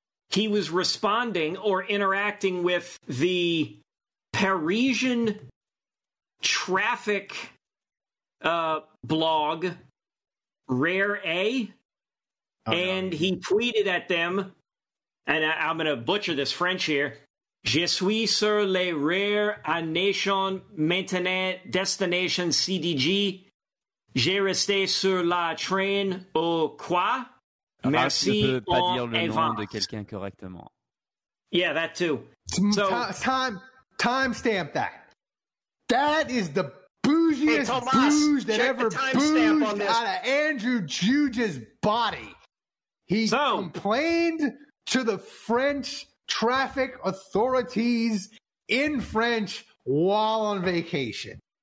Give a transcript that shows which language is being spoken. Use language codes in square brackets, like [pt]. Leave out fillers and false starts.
[en] He was responding or interacting with the Parisian traffic blog, Rare A. Oh, and no. He tweeted at them, and I'm going to butcher this French here. [fr] Je suis sur les Rare A Nation maintenant destination CDG. J'ai resté sur la train au quoi? Merci. Je ne peux pas dire le nom de quelqu'un correctement. [en] Yeah, that too. So, time stamp that. That is the bougiest bouge that ever bouged out of Andrew Juge's body. He complained to the French traffic authorities in French while on vacation.